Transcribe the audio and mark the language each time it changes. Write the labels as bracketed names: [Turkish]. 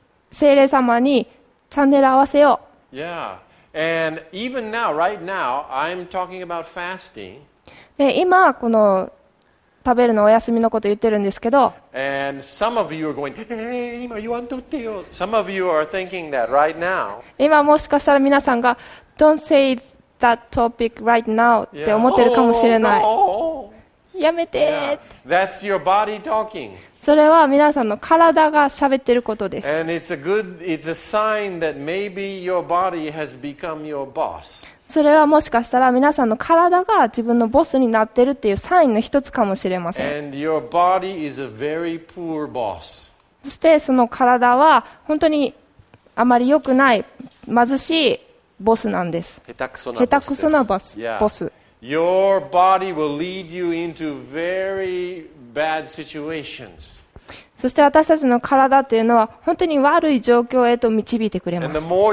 [Japanese] 聖霊様にチャンネル合わせよう。 [English] Yeah. And even now, right now, I'm talking about fasting. [Japanese] で、今この食べるのお休みのこと言ってるんですけど、 [English] And some of you are going, hey, [Japanese] 今言わんとってよ。 [English] Some of you are thinking that right now. [Japanese] 今もしかしたら皆さんが [English] Don't say that topic right now [Japanese] って思ってるかもしれない。やめて。 [English] That's your body talking. [Japanese] それは皆さんの体が喋ってることです。 [English] And it's a sign that maybe your body has become your boss. [Japanese] それはもしかしたら皆さんの体が自分のボスになってるっていうサインの一つかもしれません。 [English] And your body is a very poor boss. [Japanese] そしてその体は本当にあまり良くない貧しいボスなんです。下手くそなボス、yeah. ボス。 [English] Your body will lead you into very bad situations. [Japanese] そして私たちの体っていうのは本当に悪い状況へと導いてくれます。